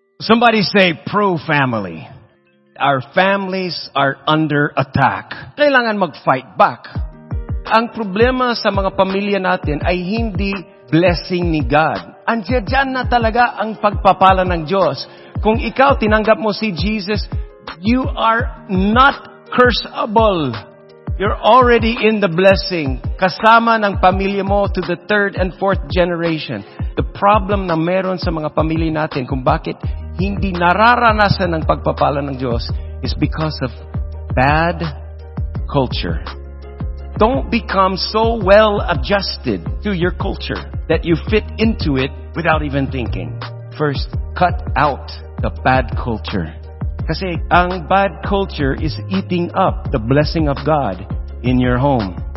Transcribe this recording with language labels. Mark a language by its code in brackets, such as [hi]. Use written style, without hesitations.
[en] Somebody say pro-family. Our families are under attack. [tl] Kailangan mag-fight back. Ang problema sa mga pamilya natin ay hindi blessing ni God. Andiyan na talaga ang pagpapala ng Diyos. Kung ikaw tinanggap mo si Jesus, [en] you are not curseable. You're already in the blessing. [tl] Kasama ng pamilya mo [en] to the third and fourth generation. The problem [tl] na meron sa mga pamilya natin kung bakit hindi nararanasan ng pagpapala ng Diyos [en] is because of bad culture. Don't become so well adjusted to your culture that you fit into it without even thinking. First, cut out the bad culture. [tl] Kasi ang [en] bad culture is eating up the blessing of God in your home.